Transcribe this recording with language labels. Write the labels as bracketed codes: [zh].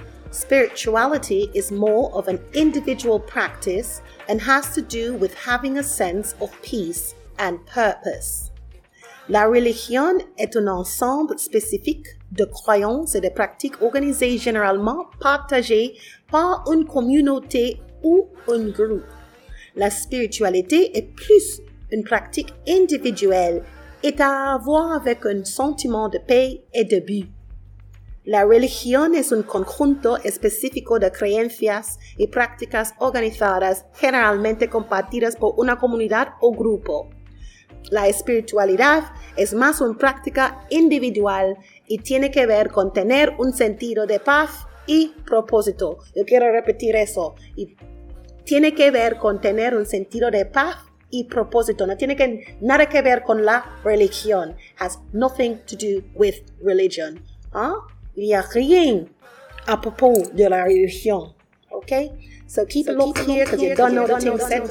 [en] Spirituality is more of an individual practice and has to do with having a sense of peace and purpose. [fr] La religion est un ensemble spécifique de croyances et de pratiques organisées généralement partagées par une communauté ou un groupe. La spiritualité est plus une pratique individuelle est à avoir avec un sentiment de paix et de but. [es] La religión es un conjunto específico de creencias y prácticas organizadas generalmente compartidas por una comunidad o grupo. La espiritualidad es más una práctica individual y tiene que ver con tener un sentido de paz y propósito. Yo quiero repetir eso. Y tiene que ver con tener un sentido de paz y propósito. No tiene que, nada que ver con la religión. [en] Has nothing to do with religion. [fr] Y a rien a propos de la religión. [en] Okay? So keep so a look here because you don't know the tingle.